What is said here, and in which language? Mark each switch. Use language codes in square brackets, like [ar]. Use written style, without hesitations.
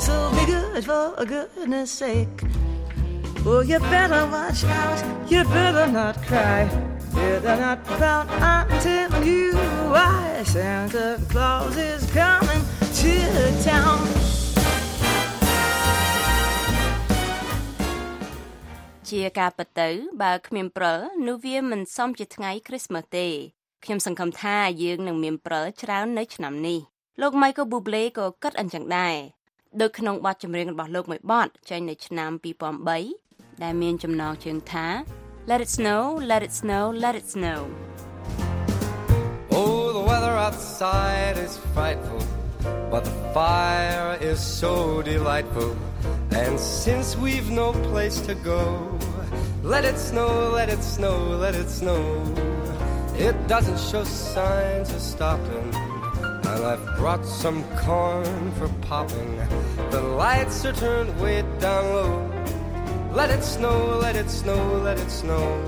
[en] So be good for goodness sake. Oh, you better watch out. You better not cry. Better not pout. I'm telling you why. Santa Claus is coming to town. [km] ជាការពិតទៅបើគ្មានព្រិលនោះវាមិនសមជាថ្ងៃ Christmas ទេខ្ញុំសង្ឃឹមថាយើងនឹងមានព្រិលច្រើននៅឆ្នាំនេះលោក Michael Bublé ក៏គិតអញ្ចឹងដែរដូចក្នុងបទចម្រៀងរបស់លោកមួយបទចេញនៅឆ្នាំ2003ដែលមានចំណងជើងថា Let it snow, let it snow, let it snow [en] Oh the weather outside is frightful but the fire is so delightful And since we've no place to go Let it snow, let it snow, let it snow It doesn't show signs of stopping And I've brought some corn for popping The lights are turned way down low Let it snow, let it snow, let it snow